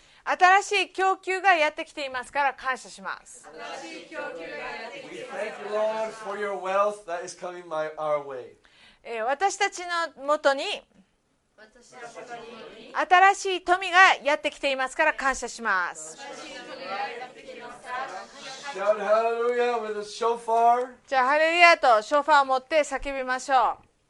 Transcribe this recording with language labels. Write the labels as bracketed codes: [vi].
[ja] 新しい供給がやってきていますから感謝します。新しい供給がやってきています。 [en] Thank you, Lord, for your wealth that is coming our way. [ja] 私たちのもとに新しい富がやってきていますから感謝します。 [en] Shout hallelujah with a shofar. [ja] じゃあハレルヤとショファーを持って叫びましょう。